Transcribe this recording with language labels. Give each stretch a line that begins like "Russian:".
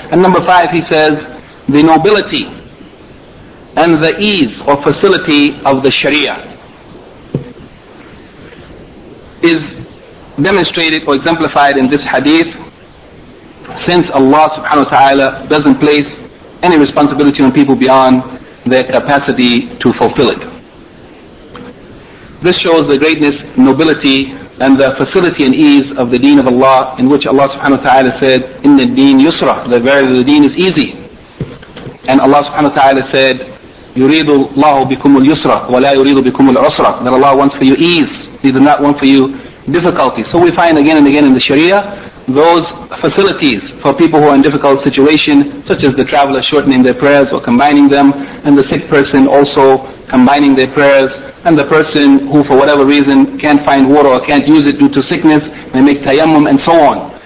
English: And number five, he says, the nobility and the ease or facility of the Sharia is demonstrated or exemplified in this hadith, since Allah subhanahu wa ta'ala doesn't place any responsibility on people beyond their capacity to fulfill it. This shows the greatness, nobility, and the facility and ease of the deen of Allah, in which Allah subhanahu wa ta'ala said,
Arabic: Inna deen yusra,
English: the very deen is easy. And Allah subhanahu wa ta'ala said,
Arabic: يريد الله بكم اليسرى ولا يريد بكم العسرى.
English: That Allah wants for you ease, He does not want for you difficulty. So we find again and again in the Sharia those facilities for people who are in difficult situation, such as the traveler shortening their prayers or combining them, and the sick person also combining their prayers, and the person who for whatever reason can't find water or can't use it due to sickness, may make tayammum and so on.